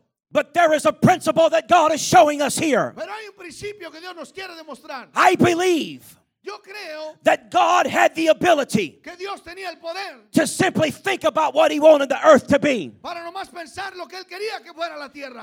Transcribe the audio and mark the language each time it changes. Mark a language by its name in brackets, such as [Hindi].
[English] But there is a principle that God is showing us here. [Spanish] Pero hay un principio que Dios nos quiere demostrar. [English] I believe [Spanish] yo creo [English] that God had the ability [Spanish] que Dios tenía el poder [English] to simply think about what he wanted the earth to be. [Spanish] Para nomás pensar lo que él quería que fuera la tierra.